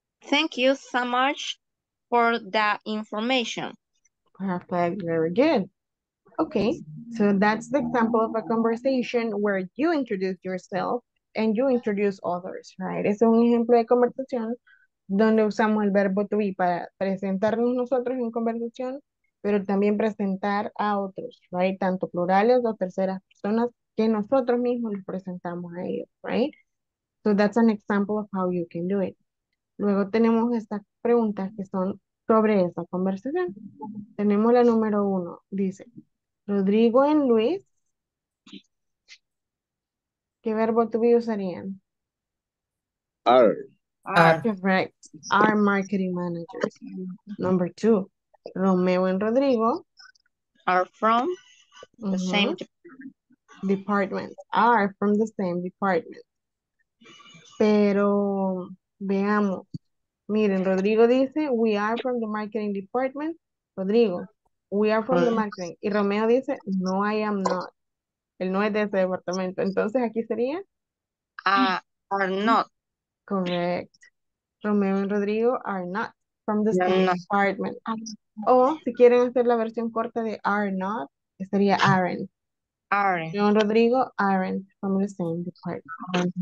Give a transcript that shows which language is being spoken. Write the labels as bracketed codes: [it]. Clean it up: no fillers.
[en] Thank you so much for that information. Perfect, very good. Okay, so that's the example of a conversation where you introduce yourself and you introduce others, right? [es] Es un ejemplo de conversación donde usamos el verbo to be para presentarnos nosotros en conversación, pero también presentar a otros, right? Tanto plurales o terceras personas que nosotros mismos les presentamos a ellos, right? [en] So that's an example of how you can do it. [es] Luego tenemos estas preguntas que son sobre esa conversación. Tenemos la número uno. Dice, Rodrigo y Luis, ¿qué verbo to be usarían? [en] Are. Correct. Are marketing managers. Number two, Romeo y Rodrigo. Are from the same department. Are from the same department. [es] Pero veamos. Miren, Rodrigo dice, [en] we are from the marketing department. Rodrigo, we are from the marketing. [es] Y Romeo dice, no, [en] I am not. [es] Él no es de ese departamento. Entonces, aquí sería? [en] Are not. Correct. Romeo and Rodrigo are not from the same department. [es] O si quieren hacer la versión corta de are not, sería Aaron. [en] Aaron. Romeo and Rodrigo aren't from the same department.